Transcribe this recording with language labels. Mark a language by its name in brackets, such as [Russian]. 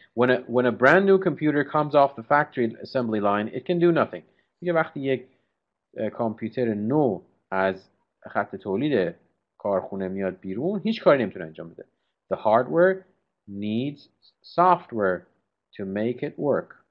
[English] When a brand new computer comes off the factory assembly line, it can do nothing. [Persian] میگه وقتی یک کامپیوتر نو از خط تولید کارخونه میاد بیرون، هیچ کاری نمیتونه انجام بده. [English] The hardware needs software to make it work.